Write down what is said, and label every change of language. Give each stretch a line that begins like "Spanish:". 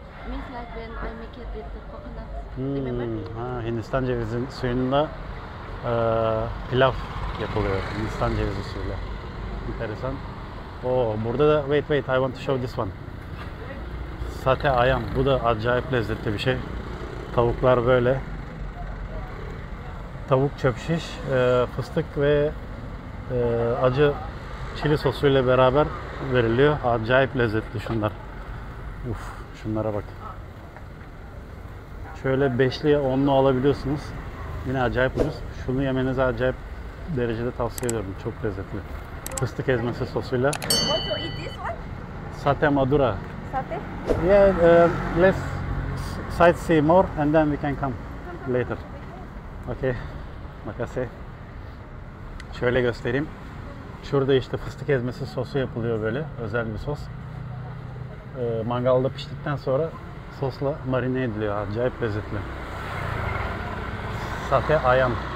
English: Means like when I make it with the coconut.
Turkish: Ha, Hindistan cevizi suyunda pilav yapılıyor. Hindistan cevizi suyuyla. Enteresan. Oo, burada da
English: wait I want to show this one.
Turkish: Sate ayam. Bu da acayip lezzetli bir şey. Tavuklar böyle. Tavuk çöp şiş, fıstık ve acı çili sosuyla beraber veriliyor. Acayip lezzetli şunlar. Uf. Şunlara bak. Şöyle 5'li 10'lu alabiliyorsunuz. Yine acayip ucuz. Şunu yemenizi acayip derecede tavsiye ediyorum. Çok lezzetli. Fıstık ezmesi sosuyla.
English: What to eat this one?
Indonesian: Sate madura. Sate?
English: Yeah, let's sightsee more and then we can come later.
Turkish: Okay. Makase. Şöyle göstereyim. Şurada işte fıstık ezmesi sosu yapılıyor böyle. Özel bir sos. Mangalda piştikten sonra sosla marine ediliyor. Acayip lezzetli.
Indonesian: Sate ayam.